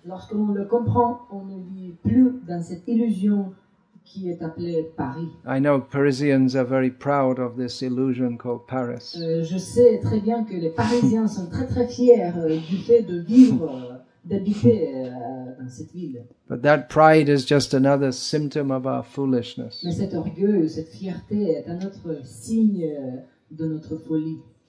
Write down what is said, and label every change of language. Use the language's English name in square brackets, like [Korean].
[French] Lorsqu'on le comprend, on ne vit plus dans cette illusion qui est appelé Paris. [English] I know Parisians are very proud of this illusion called Paris. [French] Je sais très bien que les Parisiens sont très très fiers du fait de vivre, d'habiter dans cette ville. [English] But that pride is just another symptom of our foolishness. [French] Mais cet orgueil, cette fierté est un autre signe de notre folie.